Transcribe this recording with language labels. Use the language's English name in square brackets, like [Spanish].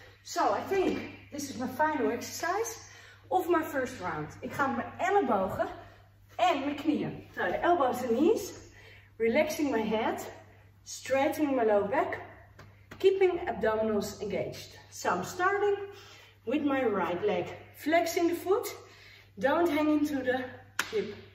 [English] So I think this is my final exercise of my first round. [Dutch] Ik ga mijn ellebogen en mijn knieën. [English] So the elbows and knees, relaxing my head, straightening my low back, keeping abdominals engaged. So I'm starting with my right leg, flexing the foot, don't hang into the hip.